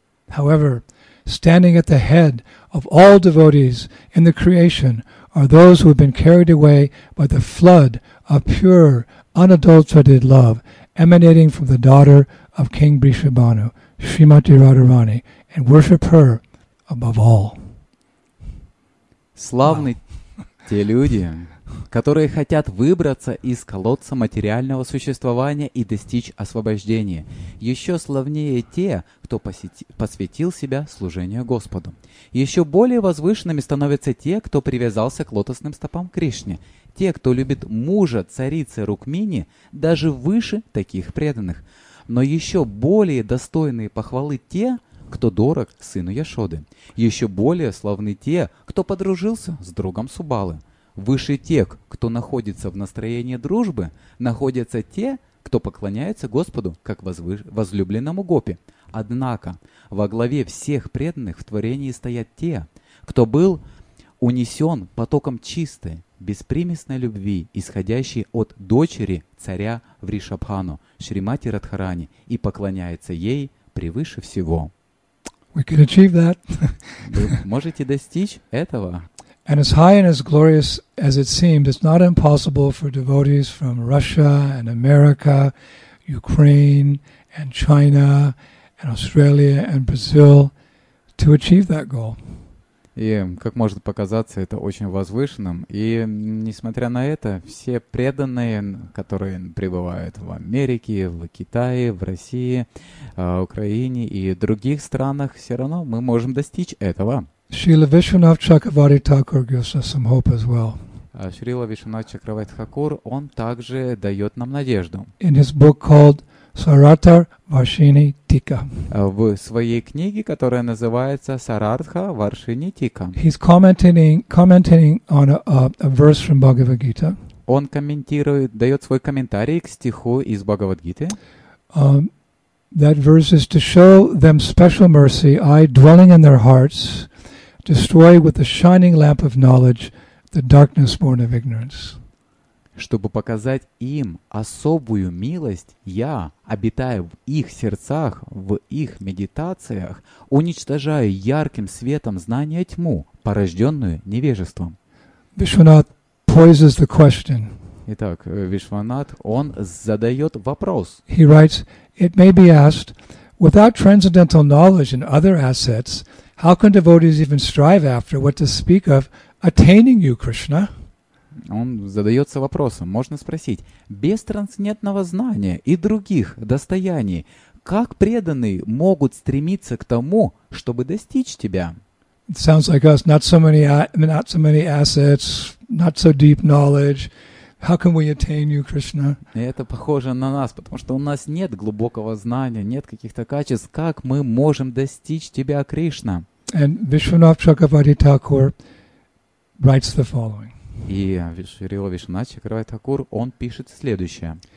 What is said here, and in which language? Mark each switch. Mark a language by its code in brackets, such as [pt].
[en] However, standing at the head of all devotees in the creation are those who have been carried away by the flood of pure, unadulterated love emanating from the daughter of King Brishabhanu, Srimati Radharani, and worship her above all. [ru] Славны те люди, которые хотят выбраться из колодца материального существования и достичь освобождения. Еще славнее те, кто посвятил себя служению Господу. Еще более возвышенными становятся те, кто привязался к лотосным стопам Кришны. Те, кто любит мужа царицы Рукмини, даже выше таких преданных. Но еще более достойные похвалы те, кто дорог сыну Яшоды. Еще более славны те, кто подружился с другом Субалы. Выше тех, кто находится в настроении дружбы, находятся те, кто поклоняется Господу, как возлюбленному гопи. Однако во главе всех преданных в творении стоят те, кто был унесен потоком чистой, беспримесной любви, исходящей от дочери царя Вришабхану, Шримати Радхарани, и поклоняется ей превыше всего. [en] We can achieve that. [ru] Вы можете достичь этого. [en] And as high and as glorious as it seems, it's not impossible for devotees from Russia and America, Ukraine and China and Australia and Brazil to achieve that goal. [ru] И, как может показаться, это очень возвышенным. И, несмотря на это, все преданные, которые пребывают в Америке, в Китае, в России, Украине и других странах, все равно мы можем достичь этого. [en] Srila Vishwanath Chakravarti Thakur gives us some hope as well. [ru] Srila Vishwanath Chakravarti Thakur, он также дает нам надежду. [en] In his book called Sarartha Varshini Tika. [ru] В своей книге, которая называется Sarartha Varshini Tika. [en] He's commenting on a verse from Bhagavad Gita. [ru] Он комментирует, дает свой комментарий к стиху из Бхагавад-гиты. [en] That verse is to show them special mercy, I dwelling in their hearts. Destroy with the shining lamp of knowledge the darkness born of ignorance. [ru] Чтобы показать им особую милость, я, обитая в их сердцах, в их медитациях, уничтожаю ярким светом знания тьму, порожденную невежеством. [en] Vishwanath poses the question. [ru] Итак, Вишванат, он задает вопрос. [en] He writes, it may be asked, without transcendental knowledge and other assets, how can devotees even strive after what to speak of attaining you, Krishna? [ru] Он задается вопросом, можно спросить, без трансцендентного знания и других достояний, как преданные могут стремиться к тому, чтобы достичь тебя? [en] It sounds like us, not so many assets, not so deep knowledge. How can we attain you, Krishna? [ru] Это похоже на нас, потому что у нас нет глубокого знания, нет каких-то качеств. Как мы можем достичь тебя, Кришна? [en] And Vishwanath Chakravarti Thakur writes the following. [ru] И Шрила Вишванат Чакравати Такур, он пишет следующее.